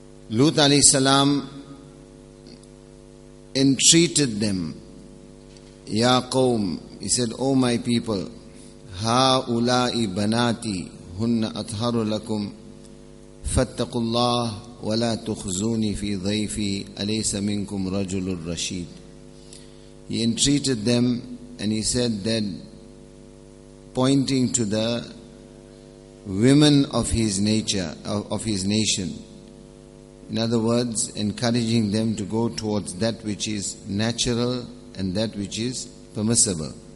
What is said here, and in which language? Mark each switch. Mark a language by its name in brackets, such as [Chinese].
[Arabic] Lut alayhi salam [English] entreated them, [Arabic] Ya Qawm, [English] he said, O my people, [Arabic] Ha ulai banati hunna atharu lakum fattaqullah ولا تخزوني في ضيفي أليس منكم رجل الرشيد. [English] He entreated them and he said that, pointing to the women of his nature, of his nation. In other words, encouraging them to go towards that which is natural and that which is permissible.